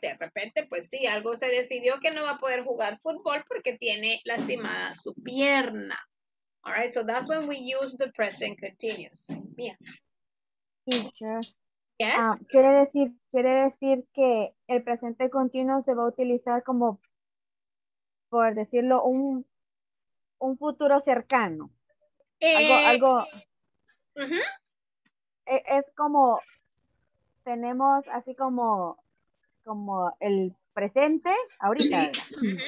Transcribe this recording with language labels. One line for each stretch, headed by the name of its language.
Spanish: De repente, pues sí, algo se decidió que no va a poder jugar fútbol porque tiene lastimada su pierna.
English: All right. So that's when we use the present continuous. Mia. Teacher. Yes.
Spanish: Quiere decir que el presente continuo se va a utilizar como, por decirlo, un futuro cercano. Algo uh-huh. Es como tenemos así como el presente ahorita, uh-huh.